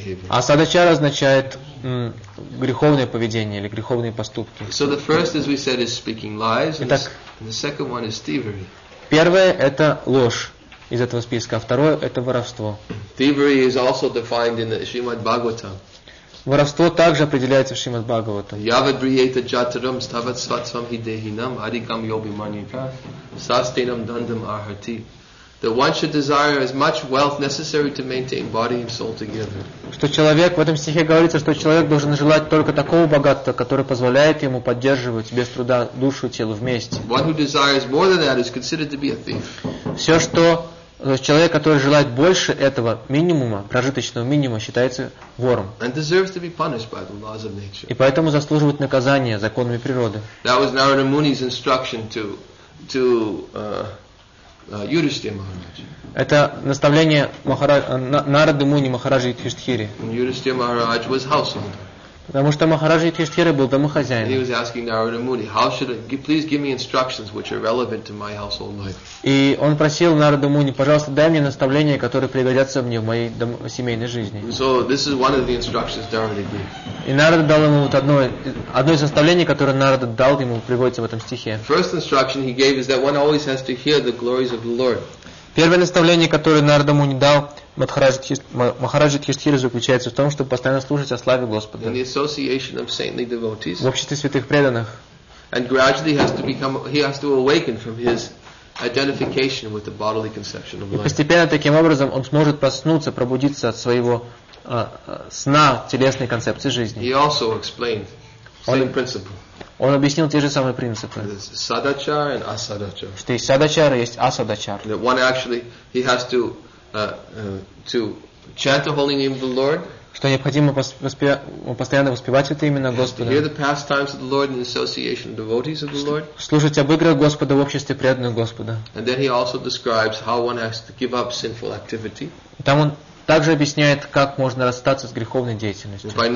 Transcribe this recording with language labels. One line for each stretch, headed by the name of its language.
Russian: Асадачар означает греховное поведение или греховные поступки.
English: So the first, as we said, is speaking lies, and the second one is thievery.
Russian: Первое – это ложь из этого списка, а второе – это воровство.
English: Thievery is also defined in the Shrimad Bhagavatam.
Russian: Воровство также определяется в Шримад Бхагаватам.
Sanskrit: Yavad Briyeta Jataram Stavat Svatsvam Hidehinam Adikam Yobi Manyika Sastenam Dandam Arhati.
English: That one should desire as much wealth necessary to maintain body and soul together.
Russian: Что человек, в этом стихе говорится, что человек должен желать только такого богатства, которое позволяет ему поддерживать без труда душу и тело вместе.
English: One who desires more than that is considered to be a thief.
Russian: Все, что человек, который желает больше этого минимума, прожиточного минимума, считается вором.
English: And deserves to be punished by the laws of nature.
Russian: И поэтому заслуживает наказания законами природы.
English: That was Narada Muni's instruction to Yudhishthira Maharaj.
Russian: Это наставление Нарады Муни Махараджи Юдхиштхире.
English: Yudhishthira Maharaj was householder.
Russian: Потому что Махараджи Юдхиштхира был домохозяин.
English: He was asking Narada Muni, how should I, please give me instructions which are relevant to my household life.
Russian: И он просил Нараду Муни, пожалуйста, дай мне наставления, которые пригодятся мне в моей семейной жизни.
English: So this is one of the instructions Narada gave.
Russian: И Нарада дал ему вот одно из наставлений, которое Нарада дал ему, приводится в этом стихе.
English: First instruction he gave is that one always has to hear the glories of the Lord.
Russian: Первое наставление, которое Нарада Муни дал Махараджи Юдхиштхире, заключается в том, чтобы постоянно служить о славе Господа.
English: In the association of saintly devotees.
Russian: В обществе святых преданных.
English: And gradually he has to awaken from his identification with the bodily conception of life.
Russian: И постепенно таким образом он сможет проснуться, пробудиться от своего сна телесной концепции жизни.
English: He also explained same principle.
Russian: Он объяснил те же самые принципы. Садачар и асадачар. Что есть садачар, есть асадачар.
English: That one actually he has to to chant the holy name of the Lord.
Russian: Что необходимо постоянно воспевать это имя Господа.
English: Hear the pastimes of the Lord in the association of devotees of the Lord.
Russian: Слушать об играх Господа в обществе преданных Господа.
English: And then he also describes how one has to give up sinful activity.
Russian: Там он также объясняет, как можно расстаться с греховной деятельностью.